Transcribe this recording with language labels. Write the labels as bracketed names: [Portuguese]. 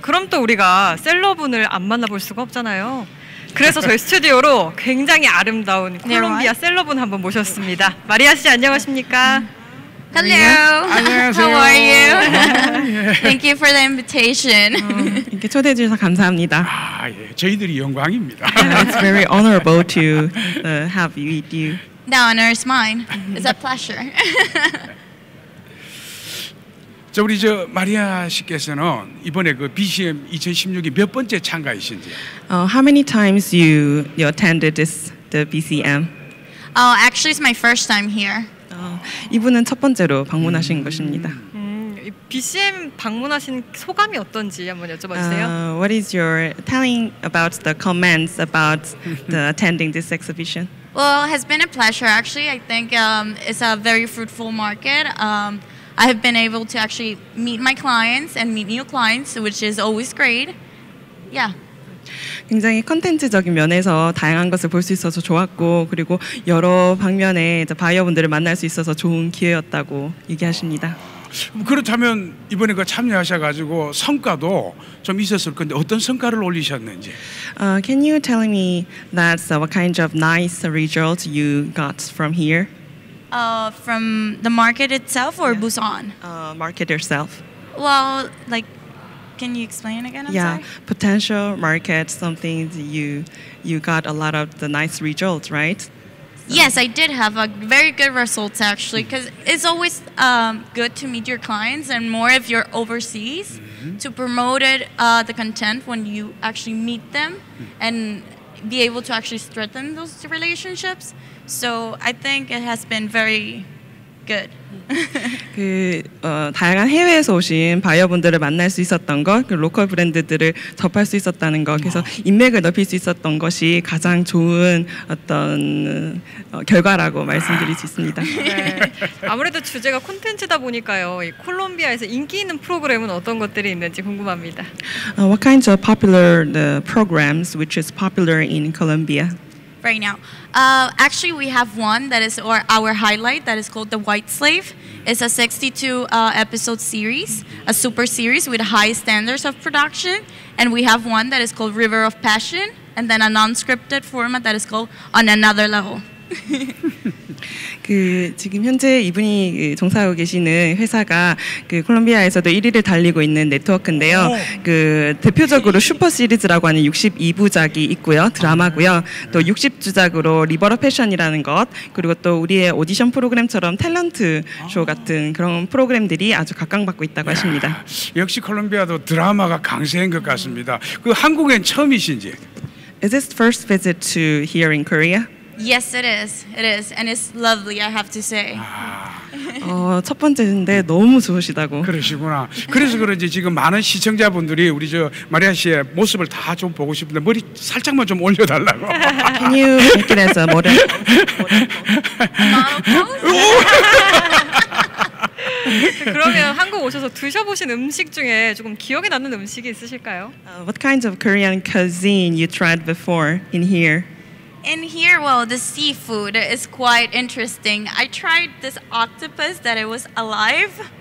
[Korean] 그럼 또 우리가 셀러분을 안 만나볼 수가 없잖아요. 그래서 저희 스튜디오로 굉장히 아름다운 콜롬비아 셀러분 한번 모셨습니다. 마리아 씨 안녕하십니까? [English] Hello. How are you? Thank you for the invitation. [Korean] 이렇게 초대해 주셔서 감사합니다. 아, 예. 저희들이 영광입니다. [English] It's very honorable to have you with you. The honor is mine. It's a pleasure. [Korean] 저 우리 저 마리아 씨께서는 이번에 그 BCM 2016이 몇 번째 참가이신지? [English] How many times you attended this the BCM? Oh, actually, it's my first time here. [Korean] 이분은 첫 번째로 방문하신 것입니다. BCM 방문하신 소감이 어떤지 한번 여쭤봐주세요. [English] What is your telling about the comments about the attending this exhibition? Well, it has been a pleasure. Actually, I think it's a very fruitful market. I have been able to actually meet my clients and meet new clients, which is always great. Yeah. [Korean] 굉장히 콘텐츠적인 면에서 다양한 것을 볼 수 있어서 좋았고, 그리고 여러 방면에 이제 바이어분들을 만날 수 있어서 좋은 기회였다고 얘기하십니다. 그렇다면 이번에 그 참여하셔가지고 성과도 좀 있었을 건데 어떤 성과를 올리셨는지? [English] Can you tell me that what kind of nice results you got from here? From the market itself or yeah. Busan? Market itself. Well, like, can you explain again? I'm yeah, sorry? Potential market, something you got a lot of the nice results, right? So. Yes, I did have a very good results actually, because it's always good to meet your clients and more if you're overseas mm-hmm. to promote it, the content when you actually meet them mm-hmm. and be able to actually strengthen those relationships. So I think it has been very good. [Korean] 그 다양한 해외에서 오신 바이어분들을 만날 수 있었던 것, 그 로컬 브랜드들을 접할 수 있었다는 것, 그래서 인맥을 넓힐 수 있었던 것이 가장 좋은 어떤 결과라고 말씀드릴 수 있습니다. 네. 아무래도 주제가 콘텐츠다 보니까요, 이 콜롬비아에서 인기 있는 프로그램은 어떤 것들이 있는지 궁금합니다. [English] What kinds of popular programs which is popular in Colombia? Right now. Actually, we have one that is our highlight that is called The White Slave. It's a 62-episode series, a super series with high standards of production. And we have one that is called River of Passion, and then a non-scripted format that is called On Another Level. [Korean] 그 지금 현재 이분이 종사하고 계시는 회사가 그 콜롬비아에서도 1위를 달리고 있는 네트워크인데요. 그 대표적으로 슈퍼 시리즈라고 하는 62부작이 있고요. 드라마고요. 또 60주작으로 리버 오브 패션이라는 것, 그리고 또 우리의 오디션 프로그램처럼 탤런트 쇼 같은 그런 프로그램들이 아주 각광받고 있다고 야, 하십니다. 역시 콜롬비아도 드라마가 강세인 것 같습니다. 그 한국엔 처음이신지? [English] Is this first visit to here in Korea? Yes, it is. It is. And it's lovely, I have to say. [Korean] 첫 번째인데 너무 좋으시다고. 그러시구나. 그래서 그런지 지금 많은 시청자분들이 우리 저 마리아 씨의 모습을 다 좀 보고 싶은데 머리 살짝만 좀 올려달라고. [English] Can you make it as a model? Model pose? [Korean] 그러면 한국 오셔서 드셔보신 음식 중에 조금 기억에 남는 음식이 있으실까요? [English] What kinds of Korean cuisine you tried before in here? In here, well, the seafood is quite interesting. I tried this octopus that it was alive.